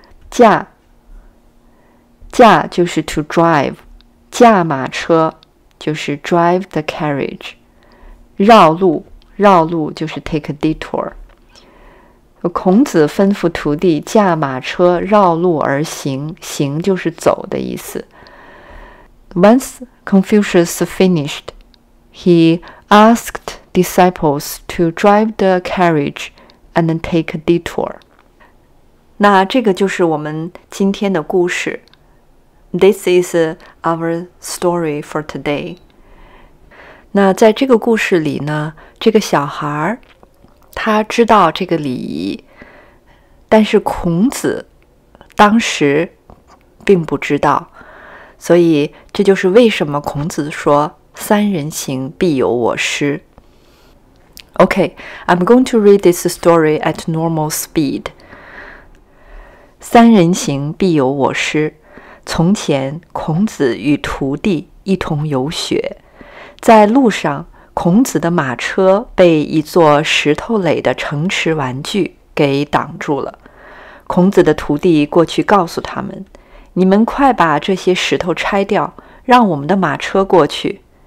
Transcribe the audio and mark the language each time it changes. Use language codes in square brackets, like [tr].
[zh] 驾就是 [en] to drive. [zh] 驾马车就是 [en] drive the carriage, [zh] 绕路绕路就是 [en] take a detour. [zh] 孔子吩咐徒弟驾马车绕路而行，行就是走的意思。 [en] Once Confucius finished, he asked disciples to drive the carriage and take a detour. [zh] 那这个就是我们今天的故事。 [en] This is our story for today. [zh] 那在这个故事里呢，这个小孩他知道这个礼仪，但是孔子当时并不知道，所以这就是为什么孔子说三人行必有我师。 [en] OK, I'm going to read this story at normal speed. [zh] 三人行必有我师。从前孔子与徒弟一同游学，在路上孔子的马车被一座石头垒的城池玩具给挡住了。孔子的徒弟过去告诉他们，你们快把这些石头拆掉，让我们的马车过去。